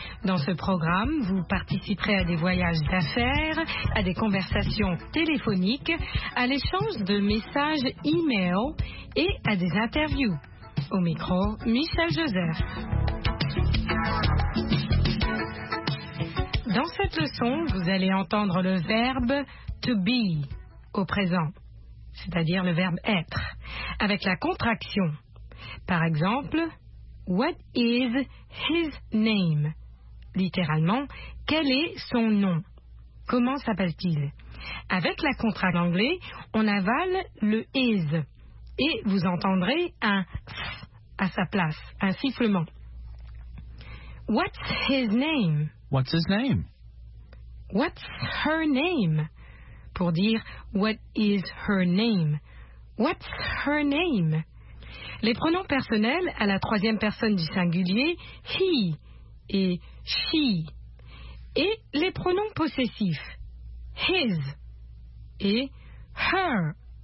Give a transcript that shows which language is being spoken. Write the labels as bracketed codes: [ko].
[fr] Dans ce programme, vous participerez à des voyages d'affaires, à des conversations téléphoniques, à l'échange de messages e-mail et à des interviews. Au micro, Michel Joseph. Dans cette leçon, vous allez entendre le verbe to be au présent, c'est-à-dire le verbe être, avec la contraction. Par exemple, [en] what is his name? [fr] Littéralement, quel est son nom? Comment s'appelle-t-il? Avec la contraction anglais, on avale le is et vous entendrez un s à sa place, un sifflement. [en] What's his name? What's his name? What's her name? [fr] Pour dire [en] what is her name? What's her name? [fr] Les pronoms personnels à la troisième personne du singulier, he et she. Et les pronoms possessifs, his et her.